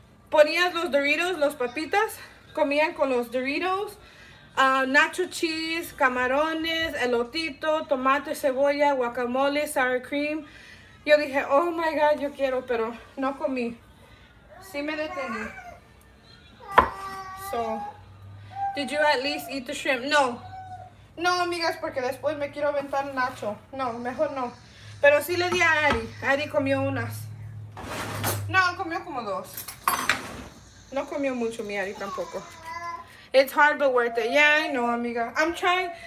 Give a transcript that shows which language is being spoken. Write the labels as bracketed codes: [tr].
[es] Ponías los Doritos, los papitas, comían con los Doritos, nacho cheese, camarones, elotito, tomate, cebolla, guacamole, sour cream. Yo dije, [en] oh my God, [es] yo quiero, pero no comí. Sí me detení. [en] So, did you at least eat the shrimp? [es] No. No, amigas, porque después me quiero aventar nacho. No, mejor no. Pero sí le di a Ari. Ari comió unas. No, comió como dos. No comió mucho mi Ari tampoco. [en] It's hard but worth it. Yeah, I know, amiga. I'm trying.